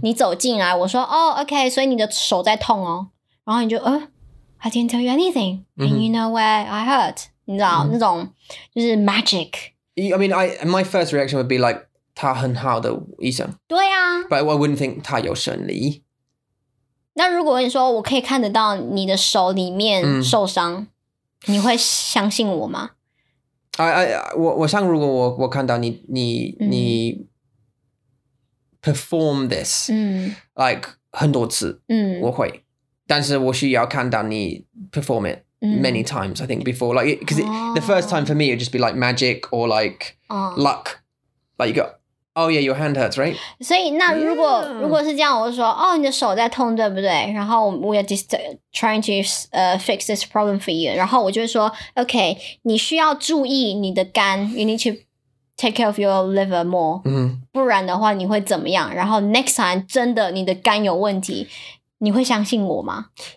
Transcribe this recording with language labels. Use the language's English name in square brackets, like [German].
[Chinese] 你走进来我说、oh, OK 所以你的手在痛哦然后你就 [English] I didn't tell you anything, and、 [Chinese] mm-hmm. [English] you know where I hurt. [Chinese] 你知道、mm-hmm. 那种就是 magic. [English] I mean, my first reaction would be like, [Chinese] 他很好的医生。对啊。 [English] But I wouldn't think [Chinese] 他有神力。那如果你说我可以看得到你的手里面受伤、你会相信我吗我像如果 我看到你、你 [English] perform this,、 [Chinese] like 很多次、我会。但是我需要看到你 [English] perform it many times, I think, before. Like, because the first time for me, it would just be like magic or like luck. Like, you go, Oh yeah, your hand hurts, right? [Chinese] 所以那如果、yeah. 如果是这样，我就说哦，你的手在痛，对不对？ [English] 然后 we are just trying to fix this problem for you. [Chinese] 然后我就说 OK, 你需要注意你的肝 ， [English] you need to take care of your liver more.、 Mm-hmm. [Chinese] 不然的话你会怎么样？然后 [English] next time [Chinese] 真的你的肝有问题，你会相信我吗？